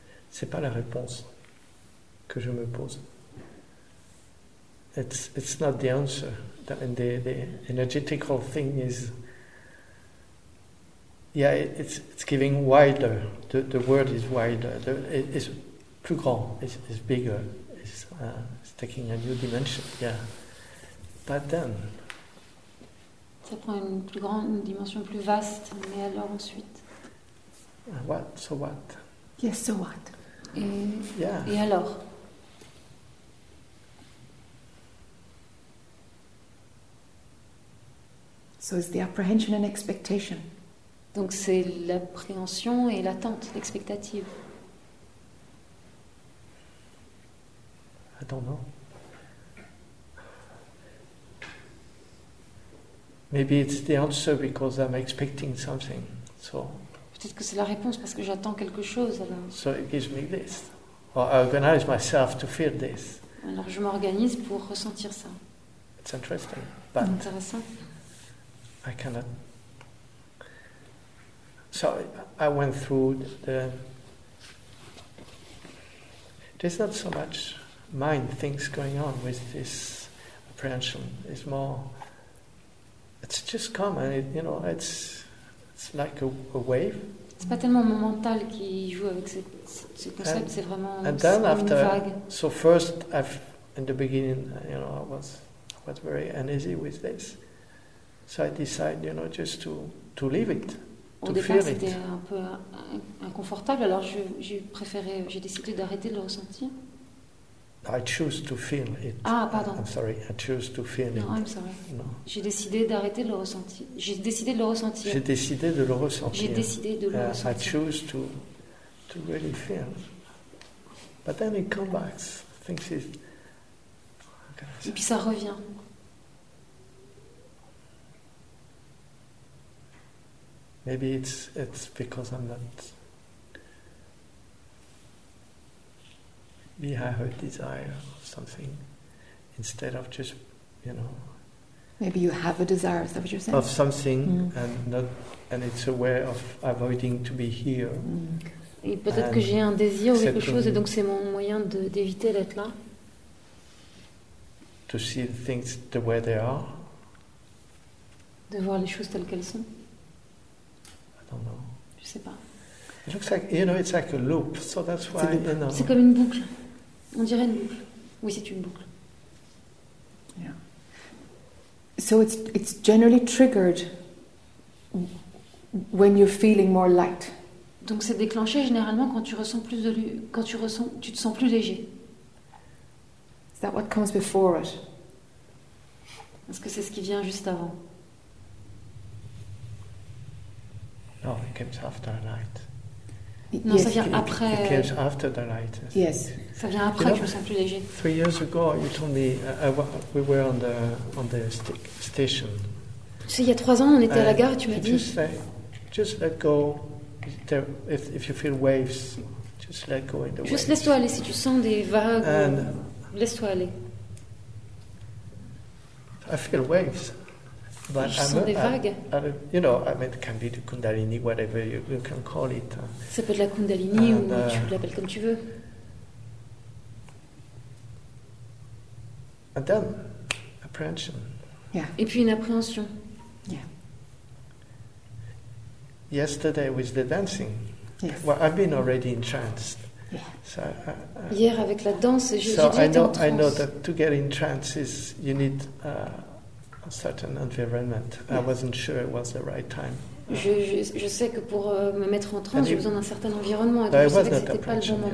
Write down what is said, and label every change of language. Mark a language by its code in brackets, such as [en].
[fr] C'est pas la réponse que je me pose. [en] It's not the answer. The energetic thing is, yeah, it's giving wider. The world is wider. It's [fr] plus grand. [en] It's bigger. It's taking a new dimension. Yeah. But then. [fr] Ça prend une plus grande, une dimension plus vaste. Mais alors ensuite. [en] What? So what? Yes. So what? [fr] Et alors. [en] So it's the apprehension and expectation. [fr] Donc c'est l'appréhension et l'attente, l'expectative. Attends, non. [en] Maybe it's the answer because I'm expecting something. So. [fr] Peut-être que c'est la réponse parce que j'attends quelque chose. Alors. [en] So it gives me this. Or I organize myself to feel this. [fr] Alors je m'organise pour ressentir ça. [en] It's interesting, but. [fr] Intéressant. [en] I cannot. So I went through the. There's not so much mind things going on with this apprehension. It's more. It's just common. It's like a wave. [fr] C'est pas tellement mon mental qui joue avec ce concept. [en] And, [fr] c'est vraiment [en] and then [fr] c'est [en] after, [fr] une vague. [en] So first, in the beginning, I was very uneasy with this. So I decide, just to leave it, to [fr] départ, [en] feel it. [fr] Au départ, c'était un peu inconfortable. Alors, j'ai décidé d'arrêter de le ressentir. [en] I choose to feel it. [fr] Ah, pardon. [en] I'm sorry. I choose to feel it. I'm sorry. No. [fr] J'ai décidé de le ressentir. J'ai décidé de le ressentir. J'ai décidé de le ressentir. [en] I choose to really feel. But then it comes back. Things is. [fr] Okay. Et puis ça revient. [en] Maybe it's because I'm not. Maybe I have a desire or something, instead of just, Maybe you have a desire. Is that what you're saying? Of something, and it's a way of avoiding to be here. Mm. [fr] Et peut-être que j'ai un désir ou quelque chose, et donc c'est mon moyen d'éviter d'être là. [en] To see things the way they are. [fr] De voir les choses telles qu'elles sont. Non. Je sais pas. [en] It looks like it's like a loop, so that's why. [fr] C'est comme une boucle. On dirait une boucle. Oui, c'est une boucle. [en] Yeah. So it's generally triggered when you're feeling more light. [fr] Donc c'est déclenché généralement quand tu ressens tu te sens plus léger. [en] Is that what comes before it? [fr] Est-ce que c'est ce qui vient juste avant? [en] No, it comes after the light. [fr] Non, yes, ça vient après. [en] It comes after the light. Yes. [fr] Ça vient après. Je me sens plus léger. [en] 3 years ago, you told me we were on the station. [fr] Tu sais, il y a 3 ans, on était à la gare, tu m'as dit. [en] Just let go. If you feel waves, just let go in the waves. [fr] Juste laisse-toi aller si tu sens des vagues. Laisse-toi aller. [en] I feel waves. [fr] But je sens des vagues. [en] You know, I mean, it can be the Kundalini, whatever you can call it. [fr] Ça peut être la Kundalini ou tu l'appelles comme tu veux. [en] And then, apprehension. [fr] Yeah. Et puis une appréhension. [en] Yeah. Yesterday with the dancing. Yes. Well, I've been already entranced. Yeah. So. [fr] Hier avec la danse, j'ai déjà été en transe. [en] So I know that to get entranced is you need a certain environment. Yeah. I wasn't sure it was the right time. [fr] Je sais que pour me mettre en transe, j'ai besoin d'un certain environnement. Et donc je savais que c'était pas le bon moment.